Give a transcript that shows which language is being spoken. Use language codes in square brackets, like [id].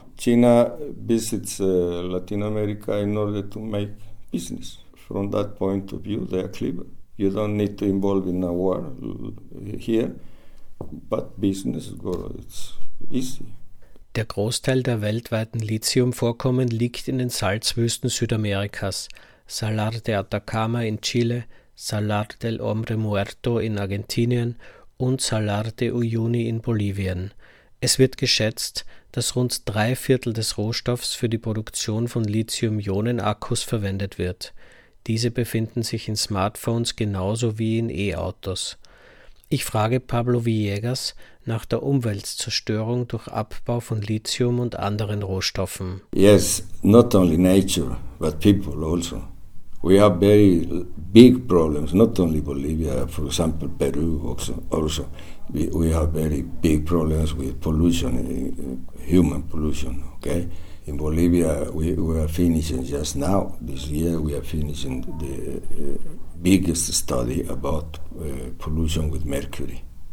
[en] China visits Latin America in order to make business. From that point of view, they are clever. You don't need to involve in a war here, but business is easy. [de] Der Großteil der weltweiten Lithiumvorkommen liegt in den Salzwüsten Südamerikas, Salar de Atacama in Chile, Salar del Hombre Muerto in Argentinien und Salar de Uyuni in Bolivien. Es wird geschätzt, dass rund 3/4 des Rohstoffs für die Produktion von Lithium-Ionen-Akkus verwendet wird. Diese befinden sich in Smartphones genauso wie in E-Autos. Ich frage Pablo Villegas nach der Umweltzerstörung durch Abbau von Lithium und anderen Rohstoffen. [en] Yes, not only nature, but people also. We have very big problems, not only Bolivia, for example, Peru also. We have very big problems with pollution, human pollution, okay? In Bolivia, we are finishing just now, this year, we are finishing the biggest study about pollution with mercury.